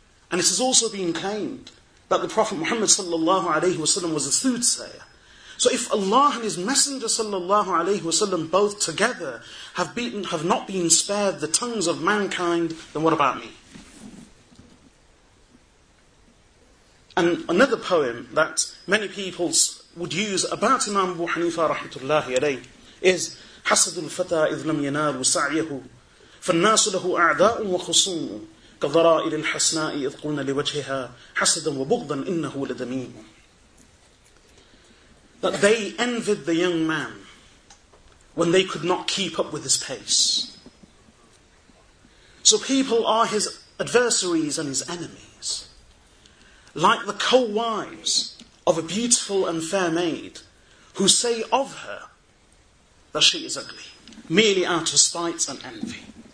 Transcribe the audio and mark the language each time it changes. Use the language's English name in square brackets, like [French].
[English] And it has also been claimed that the Prophet Muhammad sallallahu alayhi wasallam was a soothsayer. So if Allah and his Messenger sallallahu alayhi wasallam both together have not been spared the tongues of mankind, then what about me? And another poem that many people would use about Imam Abu Hanifa rahmatullahi alayhi is [Arabic] حسد الفتى إذ لم ينال وسعيه فالناس له أعداء وخصوم كضرائر الحسناء إذ قلنا لوجهها حسدا وبغضا إنه لدميم. [English] That they envied the young man when they could not keep up with his pace. So people are his adversaries and his enemies. Like the co-wives of a beautiful and fair maid who say of her that she is ugly, merely out of spite and envy.